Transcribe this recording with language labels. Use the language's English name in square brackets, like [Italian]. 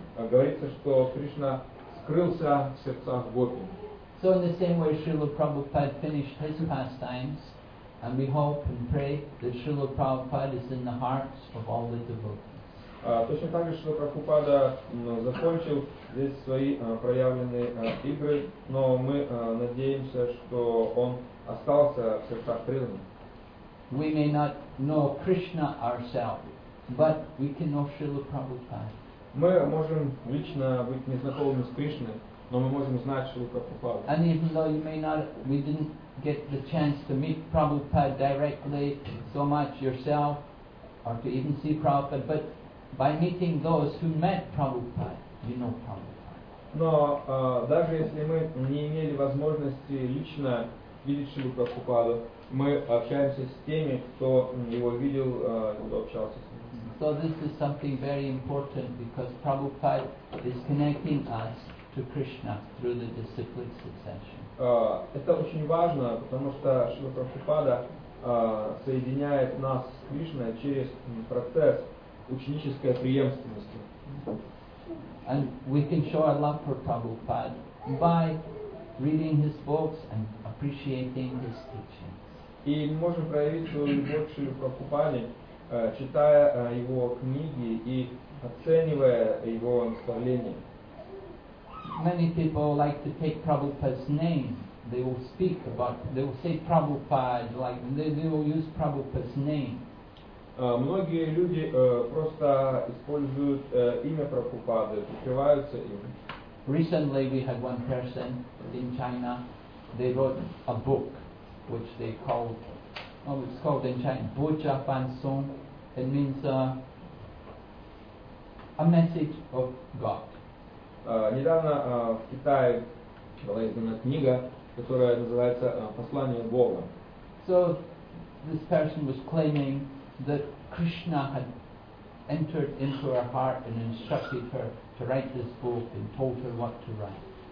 [Russian] Говорится, что Кришна скрылся в сердцах гопи. [English] So in the same way Srila Prabhupada finished his pastimes, and we hope and pray that Srila Prabhupada is in the hearts of all the devotees. [Russian] Точно так же Шрила Прабхупада закончил здесь свои проявленные игры, но мы надеемся, что он остался в сердцах преданных. [English] We may not know Krishna ourselves, but we can know Srila Prabhupada. [Russian] Мы можем лично быть незнакомыми с Кришной, но мы можем знать Шрилу Прабхупаду. [English] And even though we didn't get the chance to meet Prabhupada directly so much yourself, or to even see Prabhupada, but by meeting those who met Prabhupada, you know Prabhupada. [Russian] Но даже если мы не имели возможности лично видеть Шрилу Прабхупаду, мы общаемся с теми, кто его видел, кто общался с ним. [English] So this is something very important because Prabhupada is connecting us to Krishna through the disciplic succession. [Russian] Это очень важно, потому что Шрила Прабхупада соединяет нас с Кришной через процесс ученической преемственности. [English] And we can show our love for Prabhupada by reading his books and appreciating his teachings. [Russian] И мы можем проявить свою любовь к Шриле Прабхупаде, читая его книги и оценивая его наставления. [English] Many people like to take Prabhupada's name. They will speak about, they will say Prabhupada, like they will use Prabhupada's name. [Russian] Многие люди просто используют имя Прабхупады, прикрываются им. [English] Recently we had one person in China, they wrote a book which they called, oh, it's called in China, Bocha Fan Song. It means a message of God. [Russian] Недавно в Китае была издана книга, которая называется «Послание Бога». [English] So this person was claiming that Krishna had entered into her heart and instructed her to write this book and told her what to write.